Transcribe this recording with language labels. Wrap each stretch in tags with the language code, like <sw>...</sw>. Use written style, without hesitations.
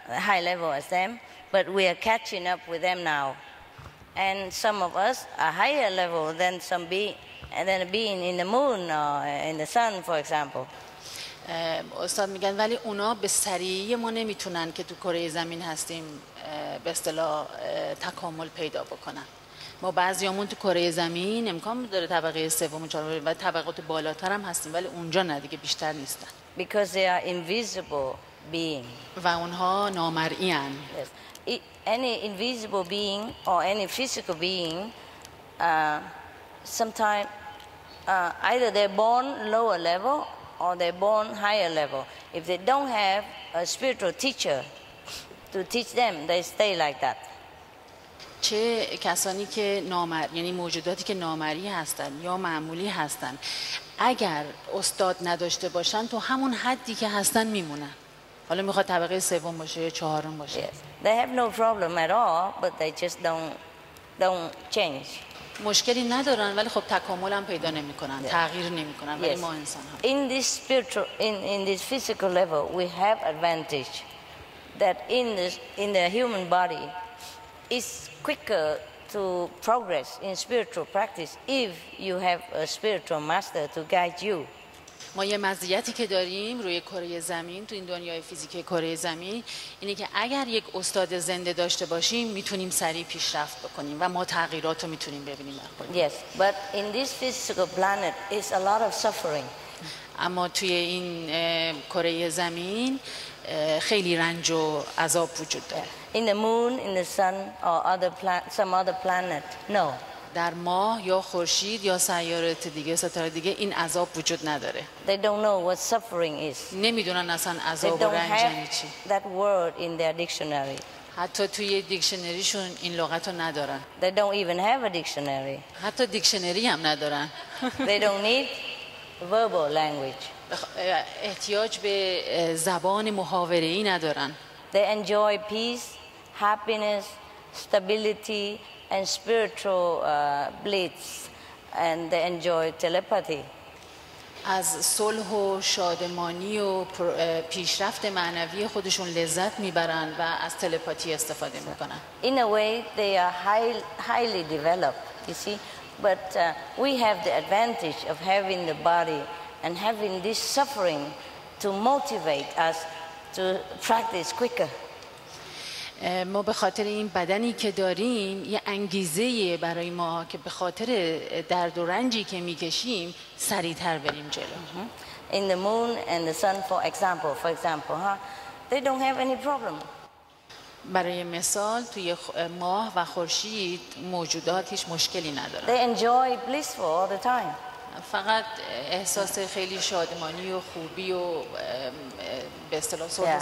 <en>High level as them, but we are catching up with them now. And some of us are higher level than some than a being in the moon or in the sun, for example.</en> <fa>استاد میگن ولی اونا به سریعی ما نمیتونن که تو کره زمین هستیم به اصطلاح تکامل پیدا بکنن. ما بعضیامون تو کره زمین امکان داره طبقه سوم و طبقات بالاتر هم هستیم ولی اونجا نه دیگه بیشتر نیستن.</fa> <en>Because they are invisible. Being.</en> <fa>و اونها نامرئی ان.</fa> <en>Yes. Any invisible being or any physical being, sometimes either they're born lower level or they're born higher level. If they don't have a spiritual teacher to teach them, they stay like that.</en> <fa>چه کسانی که نامر یعنی موجوداتی که نامری هستن یا معمولی هستن اگر استاد نداشته باشن تو همون حدی که هستن میمونن حالا میخواد طبقه سوم باشه یا چهارم باشه</fa> <en>yes. They have no problem at all but they just don't change</en> <fa>مشکلی ندارن ولی خب تکامل هم پیدا نمیکنن yeah. تغییر نمیکنن ولی yes. ما انسان ها</fa> <en>in this spiritual in this physical level we have advantage that in the human body is quicker to progress in spiritual practice if you have a spiritual master to guide you</en> <fa>ما یه مزیتی که داریم روی کره زمین تو این دنیای فیزیکی کره زمین اینه که اگر یک استاد زنده داشته باشیم میتونیم سریع پیشرفت بکنیم و ما تغییرات رو میتونیم ببینیم</fa> <en>yes but in this physical planet is a lot of suffering</en> <fa>اما توی این کره زمین خیلی رنج و عذاب وجود داره</fa> <en>in the moon in the sun or other planet some other planet no</en> <fa>در ماه یا خورشید یا سیارات دیگه ستاره دیگه این عذاب وجود نداره</fa> <en>they don't know what suffering is</en> <fa>نمیدونن اصلا عذاب و رنج یعنی چی</fa> <en>that word in their dictionary</en> <fa>حتی توی دیکشنریشون این لغت رو ندارن</fa> <en>they don't even have a dictionary</en> <fa>حتی دیکشنری هم ندارن</fa> <en>they don't need verbal language</en> <fa>احتیاج به زبان محاوره ای ندارن</fa> <en>They enjoy peace, happiness, stability, and spiritual bliss, and they enjoy telepathy.</en> <fa>از صلح و شادمانی و پیشرفت معنوی خودشون لذت میبرن و از تلپاتی استفاده میکنن.</fa> <en>In a way, they are highly developed. You see, but we have the advantage of having the body and having this suffering to motivate us. To practice quicker.</en> <fa>ما به خاطر این بدنی که داریم یه انگیزه برای ما که به خاطر درد و رنجی که میکشیم سریعتر بریم جلو.</fa> <en>In the moon and the sun, for example, huh? They don't have any problem.</en> <fa>برای مثال توی ماه و خورشید موجودات هیچ مشکلی ندارن.</fa> <en>They enjoy blissful all the time.</en> <fa>فقط احساس خیلی شادمانی و خوبی و به اصطلاح صورت yeah.</fa>